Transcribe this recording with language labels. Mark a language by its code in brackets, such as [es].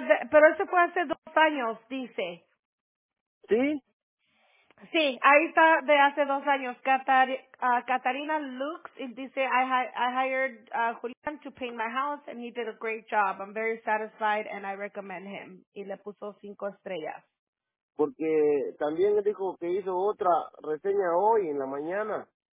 [es] Pero ese fue hace 2 años, dice. ¿Sí? Sí, ahí está de hace 2 años. [en] Catarina Lux [es] y dice, [en] I hired Julian to paint my house and he did a great job. I'm very satisfied and I recommend him. [es] Y le puso 5 estrellas. Porque también dijo que hizo otra reseña hoy en la mañana.